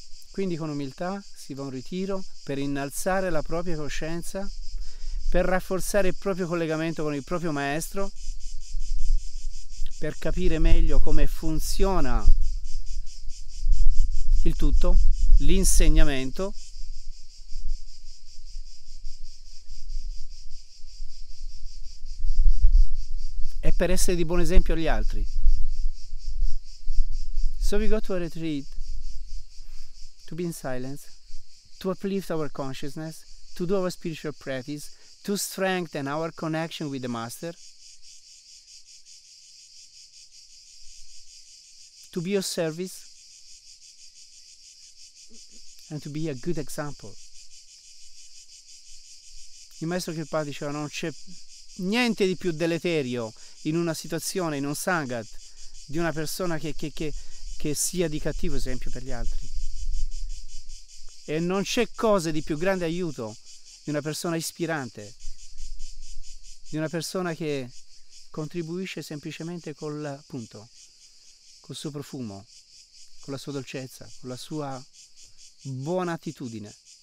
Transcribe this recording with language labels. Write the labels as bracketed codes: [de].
[it] Quindi con umiltà si va a un ritiro per innalzare la propria coscienza, per rafforzare il proprio collegamento con il proprio maestro, per capire meglio come funziona il tutto, l'insegnamento, e per essere di buon esempio agli altri. [en] So we go to a retreat to be in silence, to uplift our consciousness, to do our spiritual practice, to strengthen our connection with the Master, to be of service, and to be a good example. [it] Il maestro che parla diceva: non c'è niente di più deleterio in una situazione, in un sangat, di una persona che sia di cattivo esempio per gli altri. E non c'è cosa di più grande aiuto di una persona ispirante, di una persona che contribuisce semplicemente col, appunto, col suo profumo, con la sua dolcezza, con la sua buona attitudine.